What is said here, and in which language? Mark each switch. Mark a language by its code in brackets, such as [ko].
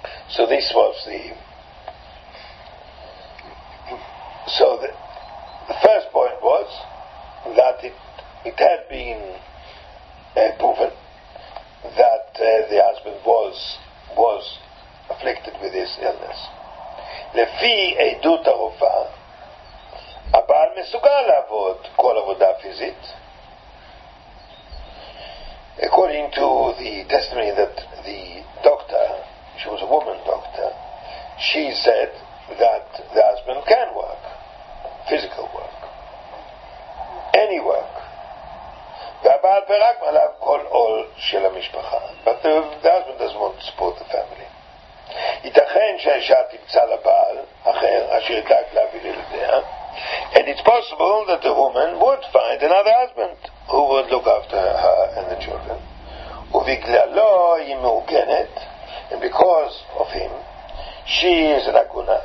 [en] So this was the the first point was that it had been proven that the husband was afflicted with this illness. [he] לפי עדות הרופא, הבעל מסוגל לעבוד כל עבודה פיזית. [en] According to the testimony that the doctor, she was a woman doctor, she said that the husband can work, physical work, any work. [he] והבעל פרק מעליו כל עול של המשפחה. [en] But the husband doesn't want to support the family. [he] ייתכן שהאישה תמצא לבעל אחר אשר ידאג להביא לילדיה, [en] and it's possible that the woman would find another husband who would look after her and the children. [he] ובגללו היא מעוגנת, [en] and because of him she is an aguna.